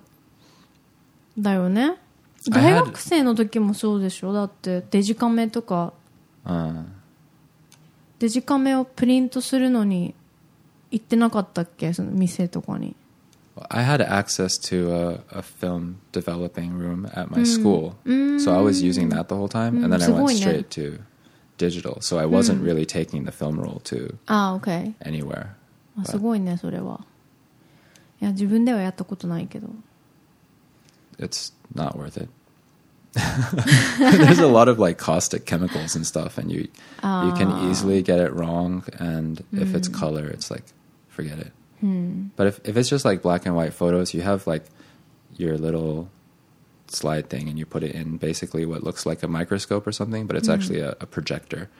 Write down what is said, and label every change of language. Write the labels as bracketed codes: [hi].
[ja] だって高校生とかだよね。大学生の時もそうでしょ?だってデジカメとか。デジカメをプリントするのに行ってなかったっけ?その店とかに。 [en] I had access to a film developing room at my school. So I was using that the whole time. And then I went straight to digital. So I wasn't really taking the film roll to anywhere. [ja] すごいね、それは。いや、自分ではやったことないけど。 [en] It's not worth it. There's a lot of like caustic chemicals and stuff. And you can easily get it wrong. And if it's color, it's like, forget it. But if it's just like black and white photos, you have like your little slide thing and you put it in basically what looks like a microscope or something, but it's actually a projector.